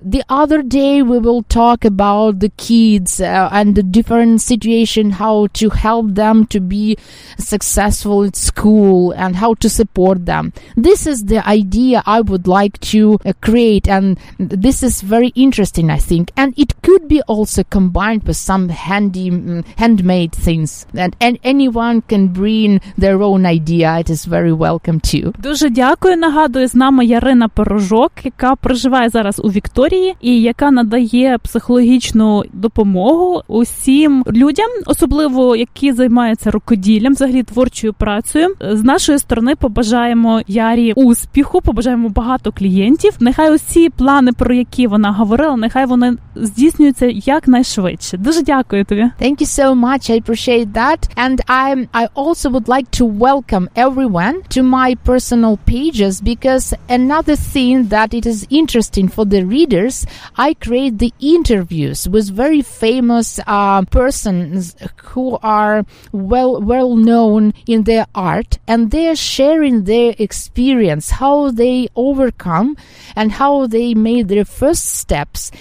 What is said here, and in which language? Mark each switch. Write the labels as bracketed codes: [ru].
[en] The other day we will talk about the kids and the different situation, how to help them to be successful at school and how to support them. This is the idea I would like to create, and this is very interesting, I think, and it could be also combined with some handmade things, and anyone can bring their own idea. It is very welcome too. [uk] Дуже дякую. Нагадую, з нами Ярина Пирожок, яка проживає зараз у Вікторії і яка надає психологічну допомогу усім людям, особливо які займаються рукоділлям, взагалі творчою працею. З нашої сторони побажаємо Ярі успіху, побажаємо багато клієнтів. Нехай усі плани, про які вона говорила, нехай вони здійснюються якнайшвидше. Дуже дякую тобі. [en] Thank you so much. I appreciate that. And I also would like to welcome everyone to my personal pages, because another thing that it is interesting for the readers, I create the interviews with very famous persons who are well known in their art, and they're sharing their experience, how they overcome and how they made their first steps.